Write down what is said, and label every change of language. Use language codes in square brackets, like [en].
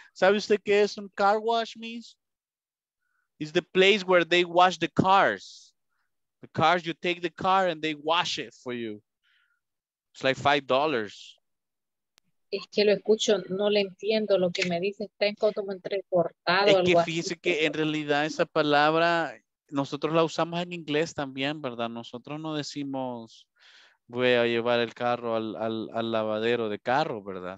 [es] ¿Sabe usted qué es un car wash, miss? [en] It's the place where they wash the cars. The cars, you take the car and they wash it for you. It's like $5. [es] Es que lo escucho, no le entiendo lo que me dice. Está como entrecortado. Es que fíjese que en realidad esa palabra... Nosotros la usamos en inglés también, ¿verdad? Nosotros no decimos voy a llevar el carro al lavadero de carro, ¿verdad?